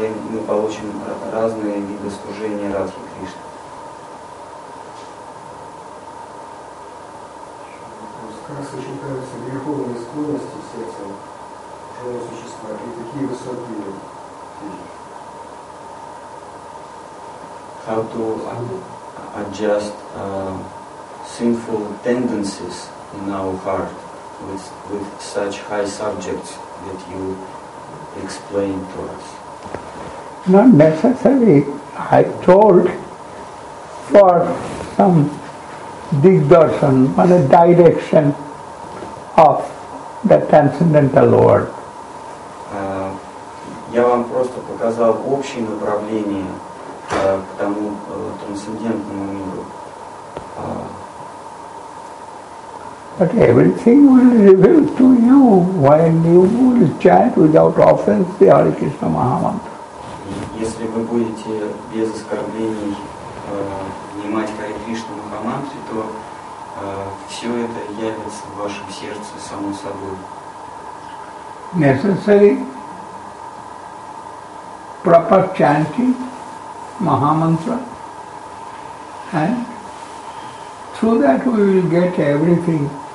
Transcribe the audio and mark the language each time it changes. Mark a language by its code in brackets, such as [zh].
[ru] Мы получим разные виды служения Радхи Кришны. Как сочетаются греховные склонности сердца живые существа, и какие высокие [en] how to adjust sinful tendencies in our heart with such high subjects that you explained to us. Not necessary. I told for some digdarshan, or the direction of the transcendental Lord. [ru] Я вам просто показал общее направление к тому трансцендентному миру. [en] But everything will reveal to you while you will chant without offense the Hare Krishna Mahamantra. [ru] Если вы будете без оскорблений внимать Харе Кришну Махамантре, то все это явится в вашем сердце само собой. [en] Necessary proper chanting Mahamantra and through that we will get everything.